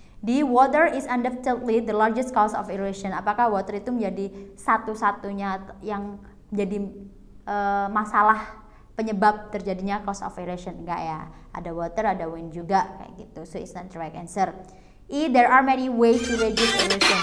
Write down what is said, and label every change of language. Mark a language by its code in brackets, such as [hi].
[en] D, water is undoubtedly the largest cause of erosion. [id] Apakah water itu menjadi satu-satunya yang jadi masalah penyebab terjadinya [en] cause of erosion? [id] Enggak ya, ada water, ada wind juga kayak gitu. [en] So it's not the right answer. E, there are many ways to reduce erosion.